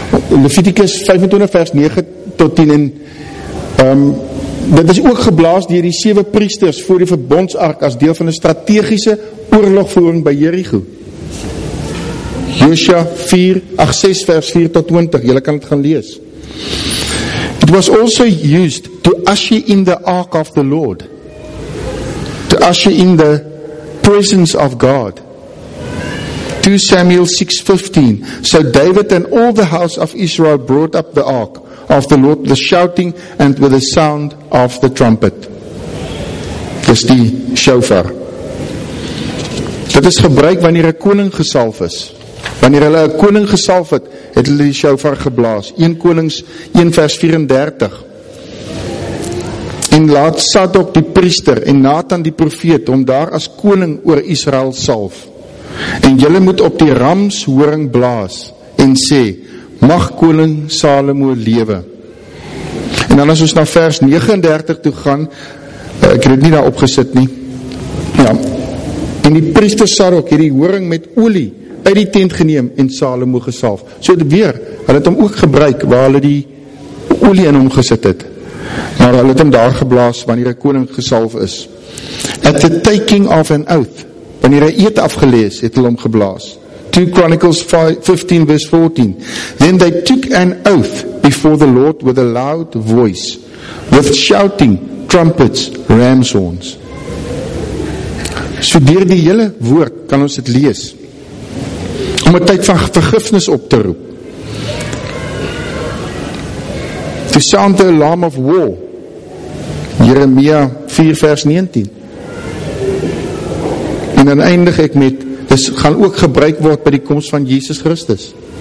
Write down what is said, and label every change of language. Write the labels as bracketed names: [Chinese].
[Afrikaans] Levitikus 25 vers 9 tot 10 en dit is ook geblaas deur die 7 priesters voor die verbondsark as deel van 'n strategiese oorlogvoering by Jericho. Josua 6 vers 4 tot 20, julle kan het gaan lees. [English] It was also used to usher in the ark of the Lord, to usher in the presence of God. 2 Samuel 6:15. So David and all the house of Israel brought up the ark of the Lord, the shouting and with the sound of the trumpet. [Afrikaans] Dis die shofar. Dit is gebruik wanneer 'n koning gesalf is. Wanneer hulle 'n koning gesalf het, het hulle die shofar geblaas. 1 Konings 1 vers 34. En laat Sadok die priester en Nathan die profeet om daar as koning oor Israel salf. En julle moet op die ramshoring blaas en sê, mag koning Salomo lewe. En dan as ons na vers 39 toe gaan, ek het nie daar opgesit nie. Ja. En die priester Sadok het die horing met olie uit die tent geneem en Salomo gesalf. So het weer, hulle het hom ook gebruik waar hulle die olie in hom gesit het. Maar hulle het hom daar geblaas wanneer die koning gesalf is. [English] At the taking of an oath, [Afrikaans] wanneer hy eed afgelees, het hulle hom geblaas. [English] 2 Chronicles 15 vers 14. Then they took an oath before the Lord with a loud voice, with shouting, trumpets, ram's horns. [Afrikaans] So deur die hele woord kan ons het lees om 'n tyd van vergifnis op te roep. [English] To sound the alarm of war. [Afrikaans] Jeremia 4 vers 19. En dan eindig ek met, dis gaan ook gebruik word by die koms van Jesus Christus.